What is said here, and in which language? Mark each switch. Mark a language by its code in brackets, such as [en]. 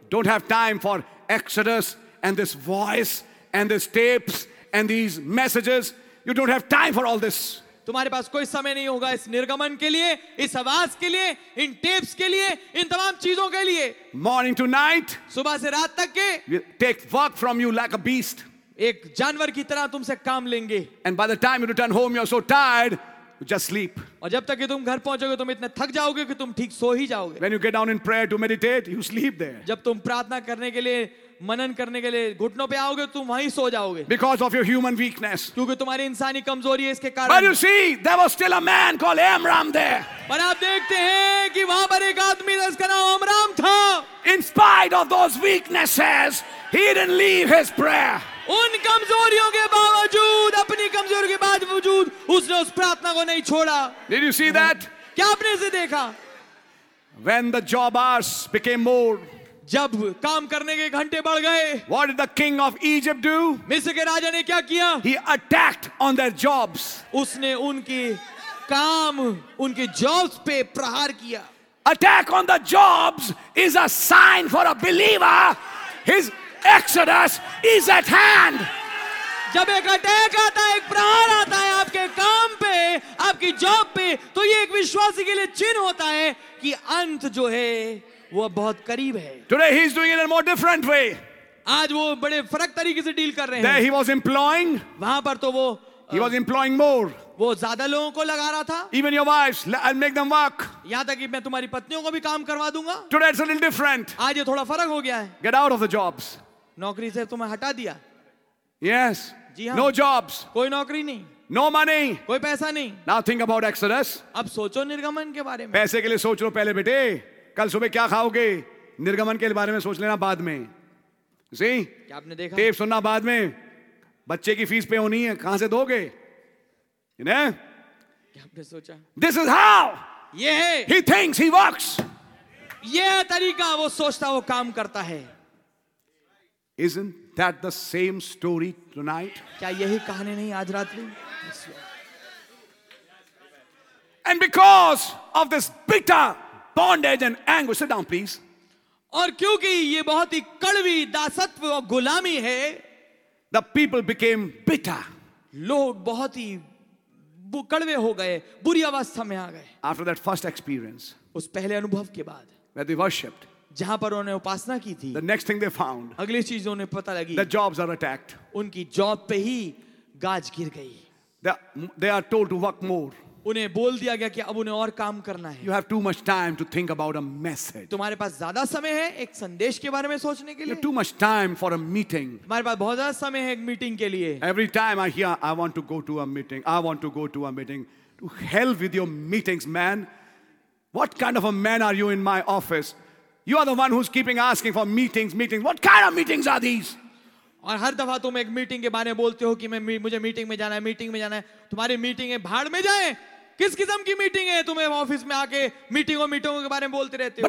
[en] Don't have time for Exodus and this voice and these tapes and these messages. You don't have time for all this. [hi] तुम्हारे पास कोई समय नहीं होगा इस निर्गमन के लिए, इस आवाज के लिए, इन टेप्स के लिए, इन तमाम चीजों के लिए. [en] morning to night, [hi] सुबह से रात तक के, [en] take work from you like a beast, [hi] एक जानवर की तरह तुमसे काम लेंगे. [en] And by the time you return home you are so tired just sleep. [hi] और जब तक कि तुम घर पहुंचोगे तुम इतने थक जाओगे कि तुम ठीक सो ही जाओगे. [en] When you get down in prayer to meditate you sleep there. [hi] जब तुम प्रार्थना करने के लिए, मनन करने के लिए घुटनों पे आओगे तुम वहीं सो जाओगे. [en] Because of your human weakness. [hi] क्योंकि तुम्हारी इंसानी कमजोरी है इसके कारण. [en] But you see, there was still a man called Amram there. [hi] पर आप देखते हैं कि वहां पर एक आदमी था जिसका नाम अमराम था. [en] In spite of those weaknesses, he didn't leave his prayer. [hi] उन कमजोरियों के बावजूद, अपनी कमजोरियों के बावजूद, उसने उस प्रार्थना को नहीं छोड़ा. [en] Did you see that? [hi] क्या आपने इसे देखा? [en] When the job hours became more. [hi] जब काम करने के घंटे बढ़ गए. [en] What did the king of Egypt do? [hi] मिस्र के राजा ने क्या किया? [en] He attacked on their jobs. [hi] उसने उनकी काम, उनके जॉब्स पे प्रहार किया. [en] Attack on the jobs is a sign for a believer. His exodus is at hand. [hi] जब एक अटैक आता है, एक प्रहार आता है आपके काम पे, आपकी जॉब पे, तो ये एक विश्वासी के लिए चिन्ह होता है कि अंत जो है वो बहुत करीब है. [en] Today he is doing it in a more different way. [hi] आज वो बड़े फर्क तरीके से डील कर रहे हैं. [en] There he was employing. [hi] वहाँ पर तो वो [en] he was employing more. [hi] वो ज़्यादा लोगों को लगा रहा था. [en] Even your wives, I'll make them work. [hi] यहाँ तक कि मैं तुम्हारी पत्नियों को भी काम करवा दूँगा. [en] Today it's a little different. [hi] आज ये थोड़ा फर्क हो गया है. [en] Get out of the jobs. [hi] नौकरी से तुम्हें हटा दिया. [en] Yes. [hi] जी हाँ. [en] No jobs. [hi] कोई नौकरी नहीं. [en] No money. [hi] कोई पैसा नहीं. [en] Now think about Exodus. [hi] अब सोचो निर्गमन के बारे में. पैसे के लिए सोच लो पहले बेटे. कल सुबह क्या खाओगे? निर्गमन के बारे में सोच लेना बाद में. [en] see, [hi] क्या आपने देखा? टेप सुनना बाद में. बच्चे की फीस पे होनी है, कहां से दोगे? इन्हें क्या आपने सोचा? [en] this is how [hi] ये है. [en] He thinks, he works. [hi] ये है तरीका, वो सोचता, वो काम करता है. [en] Isn't that the same story tonight? [hi] क्या यही कहानी नहीं आज रात्रि? [en] And because of this bitter bondage and anger, sit down please. [hi] और क्योंकि ये बहुत ही कड़वी दासत्व और गुलामी है, [en] the people became bitter. [hi] लोग बहुत ही कड़वे हो गए, बुरी अवस्था में आ गए. [en] After that first experience, [hi] उस पहले अनुभव के बाद, [en] where they worshipped, [hi] जहां पर उन्होंने उपासना की थी, [en] the next thing they found, [hi] अगली चीज उन्हें पता लगी, [en] the jobs are attacked. [hi] उनकी जॉब पे ही गाज गिर गई. [en] They are told to work more. [hi] उन्हें बोल दिया गया कि अब उन्हें और काम करना है. [en] You have too much time to think about a message. [hi] तुम्हारे पास ज्यादा समय है एक संदेश के बारे में सोचने के लिए. [en] Too much time for a meeting. [hi] तुम्हारे पास बहुत ज्यादा समय है एक मीटिंग के लिए. [en] Every time I hear, I want to go to a meeting. I want to go to a meeting. To hell with your meetings, man. What kind of a man are you in my office? You are the one who's keeping asking for meetings, meetings. What kind of meetings are these? [hi] और हर दफा तुम एक meeting के बारे में बोलते हो कि मुझे मीटिंग में जाना है, मीटिंग में जाना है. तुम्हारी मीटिंग है, भाड़ में जाए. किस किस्म की मीटिंग है? तुम्हें ऑफिस में आके मीटिंगों मीटिंगों के बारे में बोलते रहते हो.